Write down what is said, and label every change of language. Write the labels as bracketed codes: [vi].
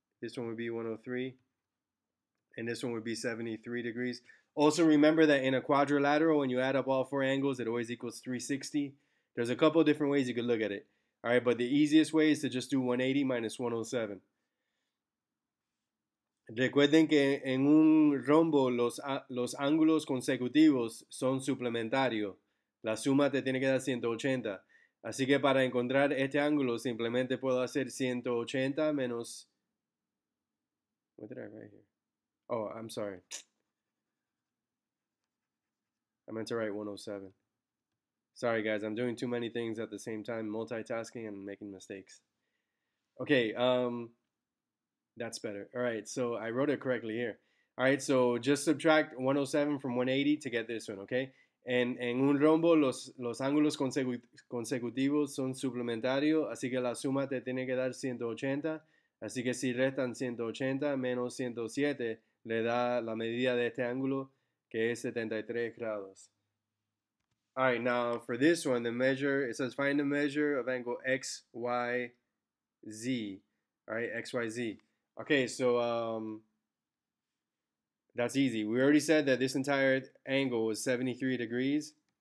[en] This one would be 103. And this one would be 73 degrees. Also, remember that in a quadrilateral, when you add up all four angles, it always equals 360. There's a couple of different ways you could look at it. All right, but the easiest way is to just do 180 minus 107. [es] Recuerden que en un rombo los ángulos consecutivos son suplementarios. La suma te tiene que dar 180. Así que para encontrar este ángulo simplemente puedo hacer 180 menos... [en] What did I write here? Oh, I'm sorry. I meant to write 107. Sorry, guys. I'm doing too many things at the same time, multitasking and making mistakes. Okay, that's better. All right, so I wrote it correctly here. All right, so just subtract 107 from 180 to get this one, okay? [es] En un rombo, los ángulos consecutivos son suplementarios, así que la suma te tiene que dar 180. Así que si restan 180 menos 107, le da la medida de este ángulo, que es 73 grados. [en] All right, now for this one, the measure, it says find the measure of angle X, Y, Z. All right, X, Y, Z. Okay, so that's easy. We already said that this entire angle was 73 degrees.